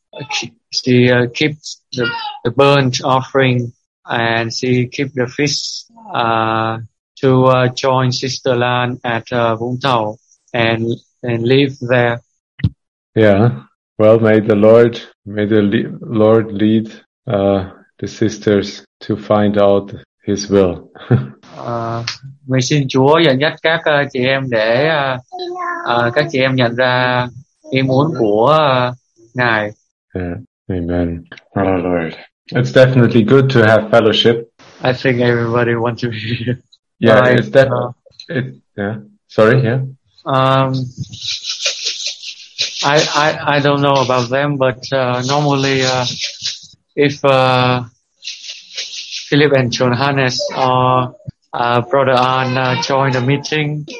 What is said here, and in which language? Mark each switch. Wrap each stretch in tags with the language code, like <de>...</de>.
<en>she keeps the burnt offering, and she keep the fish to join Sister Lan at Vũng Tàu and live there. Yeah, well, may the Lord lead the sisters to find out His will.</en> <vi>May xin Chúa dẫn dắt các chị em để các chị em nhận ra ý muốn của Ngài.</vi> <en>Yeah. Amen. Oh Lord, it's definitely good to have fellowship. I think everybody wants to be here. Yeah, it's definitely. Yeah. Sorry. Yeah. I don't know about them, but normally if Philip and Johannes or Brother An join the meeting,</en>